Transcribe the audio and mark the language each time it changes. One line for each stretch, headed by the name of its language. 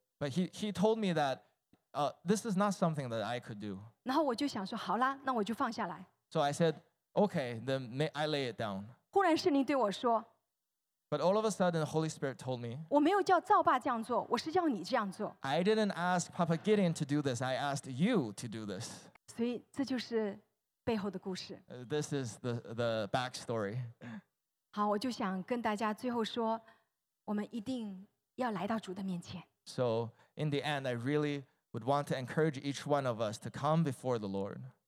English: But he told me that this is not something that I could do.
Chinese: 然后我就想说，好啦，那我就放下来。
English: So I said, okay, then I lay it down.
Chinese: 忽然圣灵对我说,
English: but all of a sudden, the Holy Spirit told me,
Chinese: 我没有叫赵爸这样做, 我是叫你这样做。
English: I didn't ask Papa Gideon to do this, I asked you to do this.
Chinese: 所以这就是背后的故事。
English: This is the backstory.
Chinese: 好，我就想跟大家最后说, 我们一定要来到主的面前。
English: So in the end, I really would want to encourage each one of us to come before the Lord.